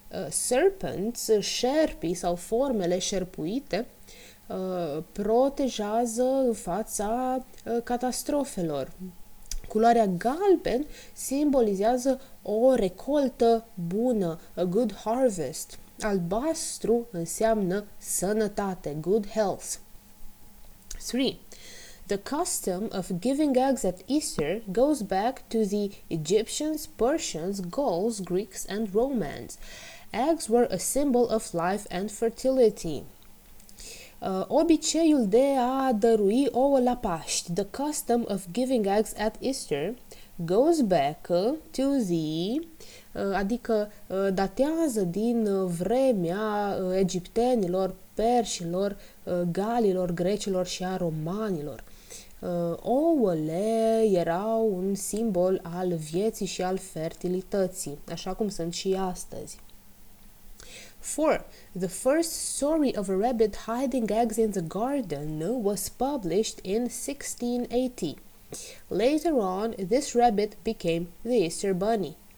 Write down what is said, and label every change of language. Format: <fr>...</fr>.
<ro>Serpents, șerpii sau formele șerpuite, protejează în fața catastrofelor. Culoarea galben simbolizează o recoltă bună, a good harvest. Albastru înseamnă sănătate, good health. 3.</ro> <en>The custom of giving eggs at Easter goes back to the Egyptians, Persians, Gauls, Greeks, and Romans. Eggs were a symbol of life and fertility.</en> <ro>Obiceiul de a dărui ouă la Paști, the custom of giving eggs at Easter, goes back to the, adică datează din vremea egiptenilor, persilor, galilor, grecilor și a romanilor. Ouăle erau un simbol al vieții și al fertilității, așa cum sunt și astăzi. 4.</ro> <en>The first story of a rabbit hiding eggs in the garden was published in 1680. Later on, this rabbit became the Easter Bunny.</en>